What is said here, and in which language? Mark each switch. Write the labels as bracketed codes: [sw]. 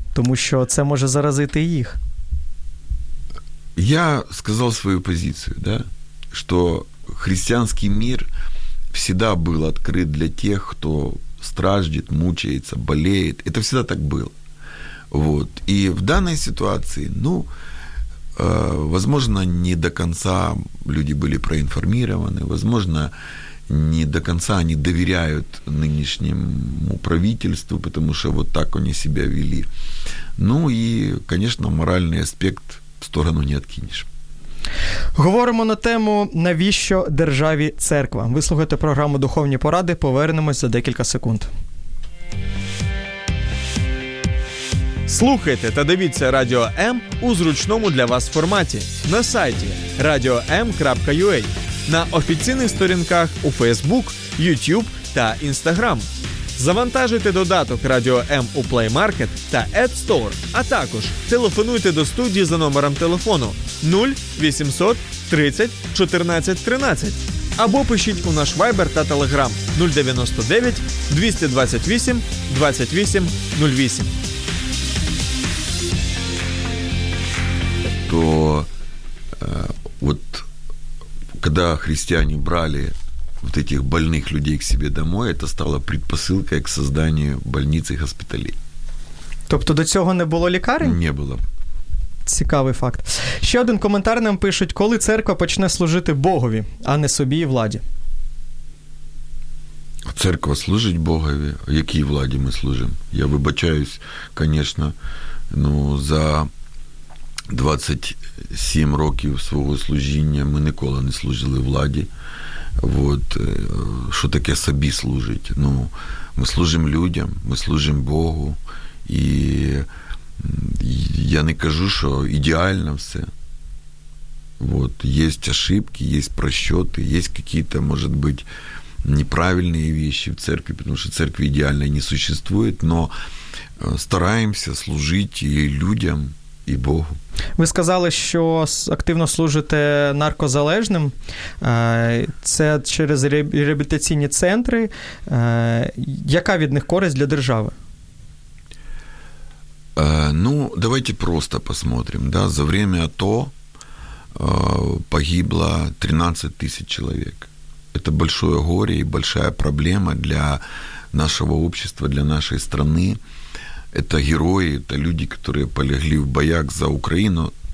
[uk] Тому що це може заразити їх. Я сказав свою позицію, да? Що християнський мир завжди був відкрит для тих, хто страждет, мучається, болеє. Це завжди так було. Вот. І в даній ситуації, [ru] ну, возможно, не до конца люди були проінформовані, возможно, не до конца они доверяют нынешнему правительству, потому что вот так они себя вели. Ну и, конечно, моральный аспект в сторону не откинешь. [uk] Говоримо на тему «Навіщо державі церква?». Ви слухаєте програму «Духовні поради». Повернемось за декілька секунд. Слухайте та дивіться Радіо М у зручному для вас форматі на сайті radio.m.ua, на офіційних сторінках у Facebook, YouTube та Instagram. Завантажуйте додаток Радіо М у Play Market та App Store, а також телефонуйте до студії за номером телефону 0800 30 14 13 або пишіть у наш Viber та Telegram 099 228 28 08. [ru] То вот когда христиане брали вот этих больных людей к себе домой, это стало предпосылкой к созданию больниц и госпиталей. [uk] Тобто до цього не було лікарень? Не було. Цікавий факт. Ще один коментар нам пишуть: коли церква почне служити Богові, а не собі і владі? Церква служить Богові, якій владі ми служимо? Я вибачаюсь, звісно, ну, за 27 років свого служіння ми ніколи не служили владі. От, що таке собі служить? Ну, ми служимо людям, ми служимо Богу. І я не кажу, що ідеально все. От, є ошибки, є просчети, є якісь, може бути, неправильні речі в церкві, тому що церкви ідеально не существує, але стараємося служити і людям, і Богу. Ви сказали, що активно служите наркозалежним. Це через реабілітаційні центри. Яка від них користь для держави? [ru] Ну, давайте просто посмотрим. Да? За время АТО погибло 13 тысяч человек. Это большое горе и большая проблема для нашего общества, для нашей страны. Это герои, это люди, которые полегли в боях за Украину.